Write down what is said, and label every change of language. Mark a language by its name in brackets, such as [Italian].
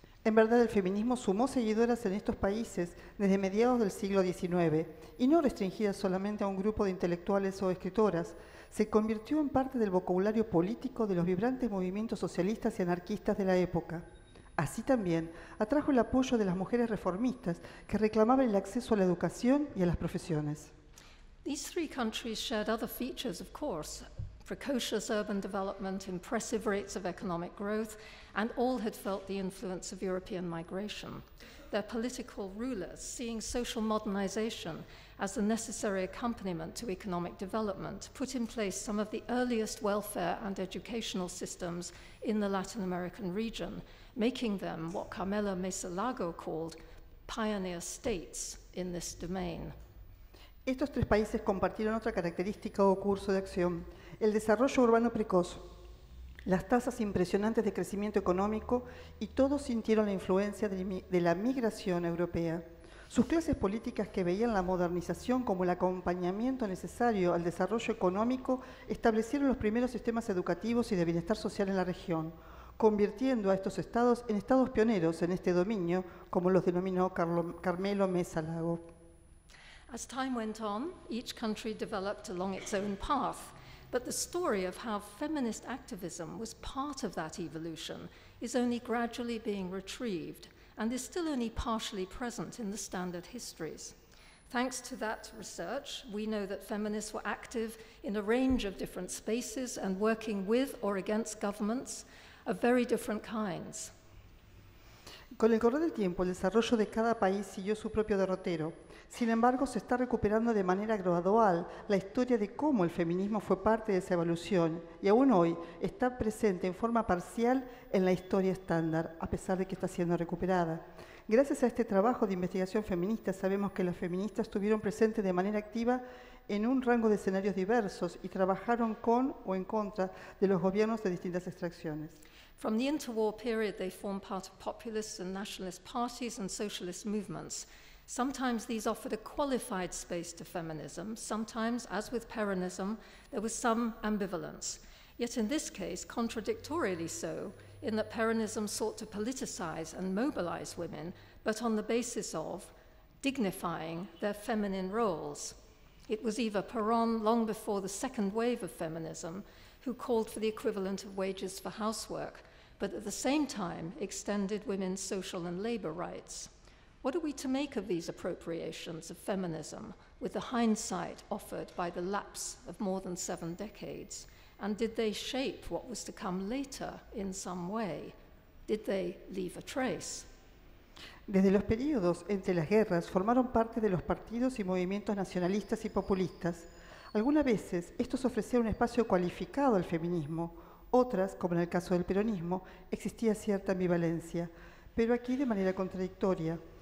[Spanish] En verdad, el feminismo sumó seguidoras en estos países desde mediados del siglo XIX, y no restringida solamente a un grupo de intelectuales o escritoras, se convirtió en parte del vocabulario político de los vibrantes movimientos socialistas y anarquistas de la época. Así también, atrajo el apoyo de las mujeres reformistas que reclamaban el acceso a la educación y a las profesiones. [English] These three countries shared other features, of course, precocious urban development, impressive rates of economic growth, and all had felt the influence of European migration. Their political rulers, seeing social modernization as the necessary accompaniment to economic development, put in place some of the earliest welfare and educational systems in the Latin American region, making them what Carmela Mesa Lago called pioneer states in this domain. [Spanish] Estos tres países compartieron otra característica o curso de acción, el desarrollo urbano precoz, las tasas impresionantes de crecimiento económico, y todos sintieron la influencia de la migración europea. Sus clases políticas, que veían la modernización como el acompañamiento necesario al desarrollo económico, establecieron los primeros sistemas educativos y de bienestar social en la región, convirtiendo a estos estados en estados pioneros en este dominio, como los denominó Carmelo Mesa Lago. [English] As time went on, each country developed along its own path, but the story of how feminist activism was part of that evolution is only gradually being retrieved and is still only partially present in the standard histories. Thanks to that research, we know that feminists were active in a range of different spaces and working with or against governments of very different kinds. [Spanish] Con el correr del tiempo, el desarrollo de cada país siguió su propio derrotero. Sin embargo, se está recuperando de manera gradual la historia de cómo el feminismo fue parte de esa evolución y aún hoy está presente en forma parcial en la historia estándar, a pesar de que está siendo recuperada. Gracias a este trabajo de investigación feminista, sabemos que las feministas estuvieron presentes de manera activa en un rango de escenarios diversos y trabajaron con o en contra de los gobiernos de distintas extracciones. [English] From the interwar period, they formed part of populist and nationalist parties and socialist movements. Sometimes these offered a qualified space to feminism. Sometimes, as with Peronism, there was some ambivalence. Yet in this case, contradictorily so, in that Peronism sought to politicize and mobilize women, but on the basis of dignifying their feminine roles. It was Eva Perón, long before the second wave of feminism, who called for the equivalent of wages for housework, but at the same time extended women's social and labor rights. What are we to make of these appropriations of feminism with the hindsight offered by the lapse of more than seven decades? And did they shape what was to come later in some way? Did they leave a trace? [Spanish] Desde los periodos entre las guerras formaron parte de los partidos y movimientos nacionalistas y populistas. Algunas veces estos ofrecían un espacio cualificado al feminismo. Otras, como en el caso del peronismo, existía cierta ambivalencia, pero aquí de manera contradictoria.